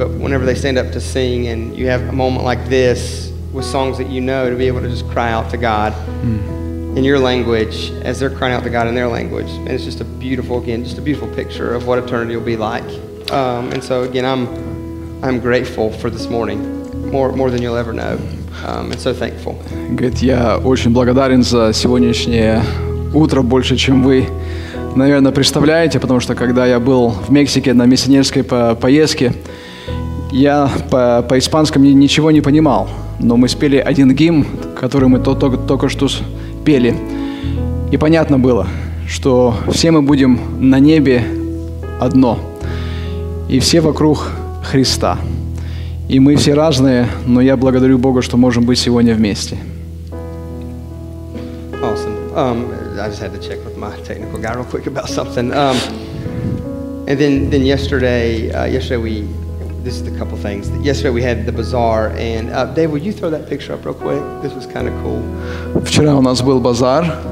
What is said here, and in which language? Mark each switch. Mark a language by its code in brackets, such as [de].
[en] But whenever they stand up to sing, and you have a moment like this with songs that you know, to be able to just cry out to God in your language as they're crying out to God in their language, and it's just a beautiful, again, just a beautiful picture of what eternity will be like. And so, again, I'm grateful for this morning, more than you'll ever know. And so thankful. [ru] Говорит, я очень благодарен за сегодняшнее утро больше, чем вы. Наверное, представляете, потому что когда я был в Мексике на миссионерской поездке, я по-испанскому ничего не понимал. Но мы спели один гимн, который мы только что пели. И понятно было, что все мы будем на небе одно. И все вокруг Христа. И мы все разные, но я благодарю Бога, что можем быть сегодня вместе. [en] Awesome. I just had to check with my technical guy real quick about something. And then yesterday we, this is a couple things. Yesterday we had the bazaar, and Dave, will you throw that picture up real quick? This was kind of cool. [ru] Вчера у нас был базар.